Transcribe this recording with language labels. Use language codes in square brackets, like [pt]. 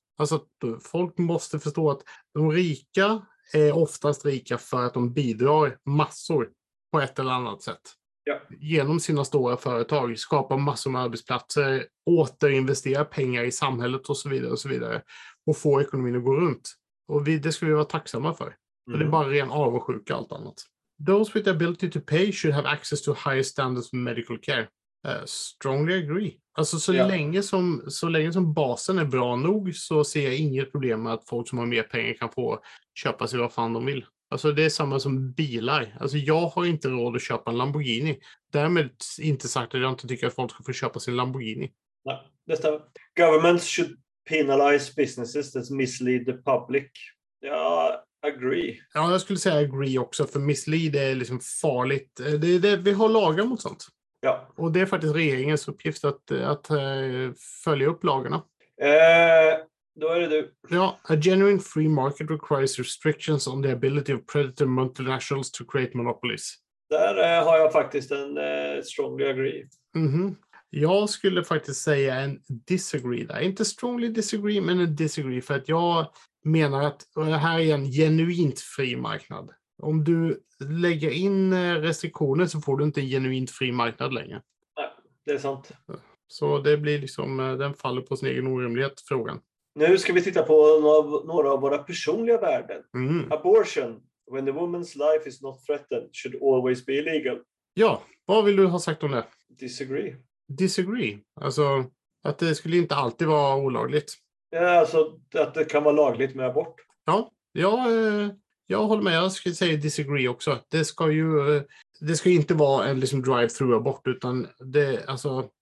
[sv] Alltså folk måste förstå att de rika är oftast rika för att de bidrar massor på ett eller annat sätt. Ja. Genom sina stora företag, skapa massor med arbetsplatser, återinvestera pengar i samhället och så vidare och så vidare. Och få ekonomin att gå runt. Och det ska vi vara tacksamma för. Mm. Det är bara ren avundsjuka och allt annat. [en] Those with the ability to pay should have access to higher standards of medical care. Strongly agree. [sv] Alltså så länge som basen är bra nog, så ser jag inget problem med att folk som har mer pengar kan få köpa sig vad fan de vill. Alltså det är samma som bilar. Alltså jag har inte råd att köpa en Lamborghini. Därmed inte sagt att jag inte tycker att folk ska få köpa sin Lamborghini. Nej, det stämmer. [en] Governments should penalize businesses that mislead the public. [sv] Ja, agree. Ja, jag skulle säga agree också, för mislead är liksom farligt. Det, vi har lagar mot sånt. Ja. Och det är faktiskt regeringens uppgift att följa upp lagarna. Då är det du. [en] Ja, a genuine free market requires restrictions on the ability of predator multinationals to create monopolies. [sv] Där har jag faktiskt en [en] strongly agree. [sv] Mm-hmm. Jag skulle faktiskt säga en disagree där. Inte [en] strongly disagree, [sv] men en disagree. För att jag menar att det här är en genuint fri marknad. Om du lägger in restriktioner så får du inte en genuint fri marknad längre. Nej, det är sant. Så det blir liksom, den faller på sin egen orimlighet, frågan. Nu ska vi titta på några av våra personliga värden. Mm. [en] Abortion, when the woman's life is not threatened, should always be illegal. [sv] Ja, vad vill du ha sagt om det? [en] Disagree. Disagree? [sv] Alltså, att det skulle inte alltid vara olagligt. Ja, alltså, att det kan vara lagligt med abort. Ja, jag håller med. Jag skulle säga disagree också. Det ska inte vara en liksom drive-through abort, utan det, alltså...